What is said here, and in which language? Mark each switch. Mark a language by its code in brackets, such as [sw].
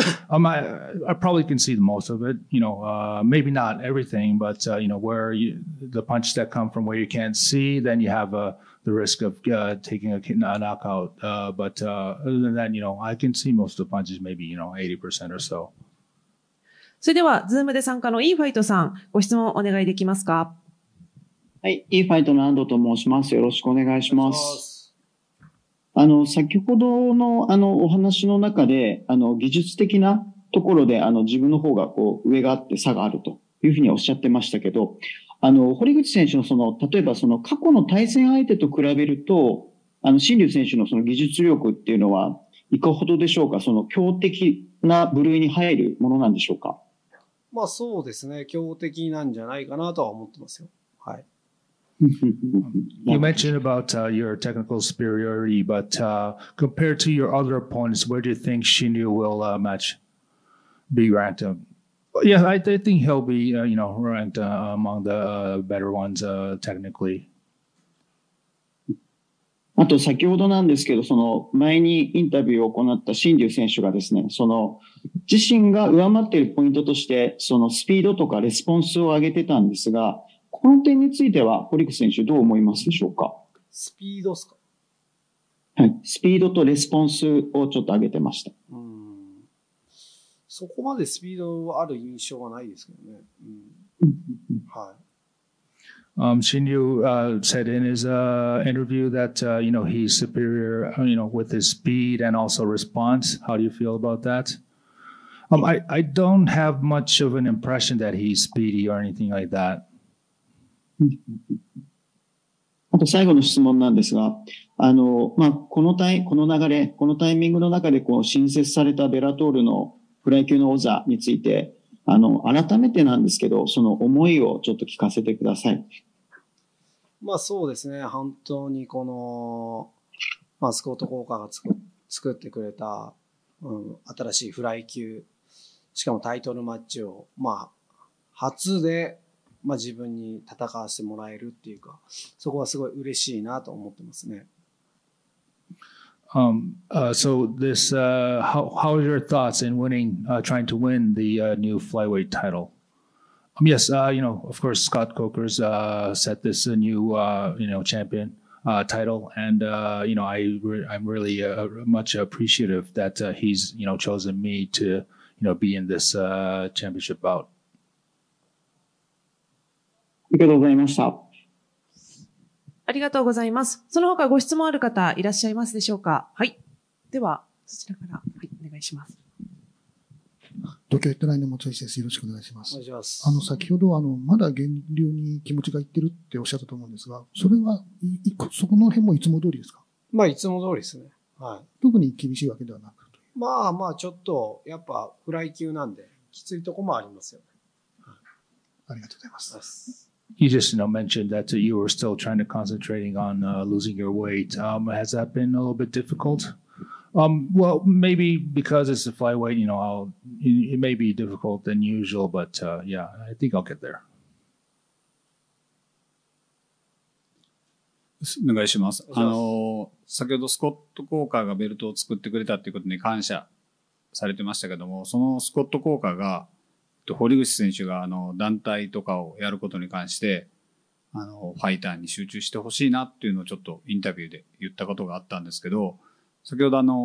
[en] I probably can see the most of it. You know, maybe not everything, but you know, where you, the punches that come from where you can't see, then you have the risk of taking a knockout. But other than that, you know, I can see most of the punches, maybe you know, 80% or so. [ja] それではズームで参加のイーファイトさん、ご質問お願いできますか。はい、イーファイトの安藤と申します。よろしくお願いします。先ほどの、お話の中で、技術的なところで、自分の方が、こう、上があって差があるというふうにおっしゃってましたけど、堀口選手のその、例えばその、過去の対戦相手と比べると、新竜選手のその技術力っていうのは、いかほどでしょうか？その、強敵な部類に入るものなんでしょうか？まあ、そうですね。強敵なんじゃないかなとは思ってますよ。 [en] You mentioned about your technical superiority, but compared to your other opponents, where do you think Shinryu will match be ranked? Yeah, I think he'll be you know, ranked among the better ones technically. [ja] あと先ほどなんですけど、その前にインタビューを行った新竜選手がですね、その自身が上回っているポイントとしてそのスピードとかレスポンスを上げてたんですが、この点については堀口選手どう思いますでしょうか。スピードですか。はい、スピードとレスポンスをちょっと上げてました。そこまでスピードある印象はないですけどね。はい。 [en] Shinryu said in his interview that you know, he's superior, you know, with his speed and also response. How do you feel about that? I don't have much of an impression that he's speedy or anything like that. [ja] あと最後の質問なんですが、まあ、この流れ、このタイミングの中で、こう、新設されたベラトールのフライ級の王座について、改めてなんですけど、その思いをちょっと聞かせてください。まあ、そうですね。本当にこの、マスコット効果が作ってくれた、新しいフライ級、しかもタイトルマッチを、まあ、初で、まあ、自分に戦わせてもらえるっていうか、そこはすごい嬉しいなと思ってますね。 [en] So this, how are your thoughts in winning, trying to win the new flyweight title? Yes, you know, of course, Scott Coker's set this new, you know, champion title, and you know, I'm really much appreciative that he's, you know, chosen me to, you know, be in this championship bout. [ja] ありがとうございました。ありがとうございます。その他ご質問ある方いらっしゃいますでしょうか。はい。では、そちらから、はい、お願いします。東京ヘッドラインの松井先生、よろしくお願いします。お願いします。先ほど、まだ源流に気持ちがいってるっておっしゃったと思うんですが、それは、そこの辺もいつも通りですか。まあ、いつも通りですね。はい。特に厳しいわけではなくと。まあまあ、ちょっと、やっぱ、フライ級なんで、きついとこもありますよね。はい、ありがとうございます。 [en] You just, you know, mentioned that you were still trying to concentrating on losing your weight. Has that been a little bit difficult? Well, maybe because it's a flyweight, you know, it may be difficult than usual, but yeah, I think I'll get there. [ja] お願いします。先ほどスコットコーカーがベルトを作ってくれたということに感謝されてましたけども、そのスコットコーカーが堀口選手が団体とかをやることに関してファイターに集中してほしいなっていうのをちょっとインタビューで言ったことがあったんですけど、先ほど